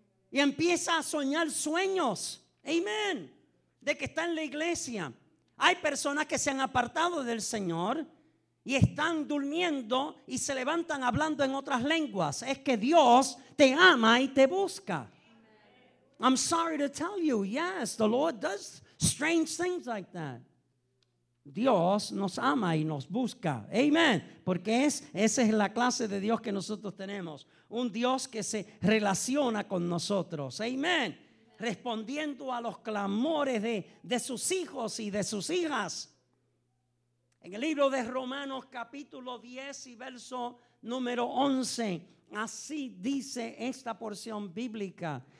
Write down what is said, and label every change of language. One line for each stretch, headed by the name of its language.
Spanish: Y empieza a soñar sueños. Amén. De que está en la iglesia. Hay personas que se han apartado del Señor y están durmiendo y se levantan hablando en otras lenguas. Es que Dios te ama y te busca.
English: I'm sorry to tell you, yes, the Lord does strange things like that.
Spanish: Dios nos ama y nos busca. Amen. Porque esa es la clase de Dios que nosotros tenemos. Un Dios que se relaciona con nosotros. Amen. Respondiendo a los clamores de sus hijos y de sus hijas. En el libro de Romanos capítulo 10 y verso número 11, así dice esta porción bíblica.